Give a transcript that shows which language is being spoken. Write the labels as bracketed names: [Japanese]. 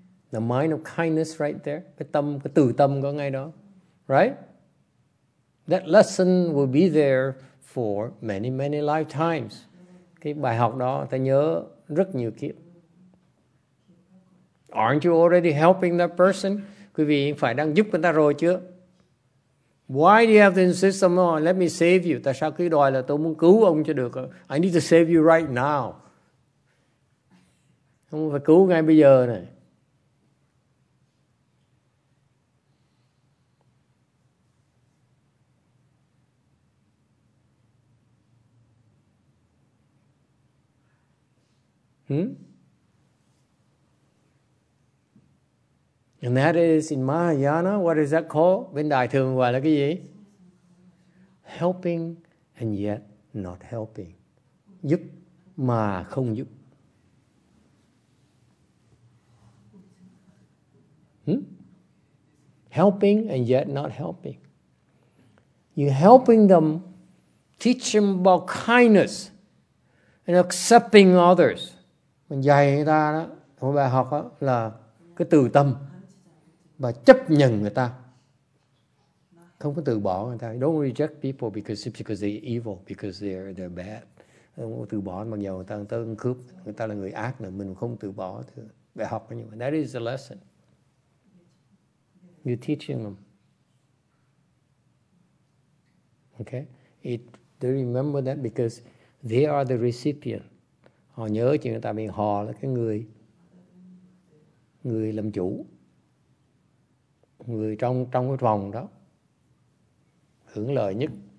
[English] The mind of kindness right there. [Vietnamese] Cái tâm, cái tự tâm có ngay đó. [English] Right? That lesson will be there for many, many lifetimes. [Vietnamese] Cái bài học đó ta nhớ rất nhiều kiếp. [English] Aren't you already helping that person? [Vietnamese] Quý vị phải đang giúp người ta rồi chưa? [English] Why do you have to insist on, oh, let me save you? [Vietnamese] Tại sao cứ đòi là tôi muốn cứu ông cho được? [English] I need to save you right now. [Vietnamese] Không phải cứu ngay bây giờ này. Hmm? [English] And that is in Mahayana, what is that called? [Vietnamese] Bên đại thường gọi là cái gì? [English] Helping and yet not helping. [Vietnamese] Giúp mà không giúp. [English] Hmm? Helping and yet not helping. You're helping them, teach them about kindness and accepting others. [Vietnamese] Mình dạy người ta đó, một bài học đó là cái từ tâm và chấp nhận người ta. Không có từ bỏ người ta. [English] Don't reject people because they're evil, because they're bad. [Vietnamese] Không có từ bỏ mặc dù người ta tới ăn cướp, người ta là người ác nữa, mình không từ bỏ. Bài học như vậy. [English] That is the lesson. You're teaching them. Okay? They remember that because they are the recipient. [Vietnamese] Họ nhớ chuyện tại vì họ là cái người làm chủ, người trong cái vòng đó hưởng lợi nhất.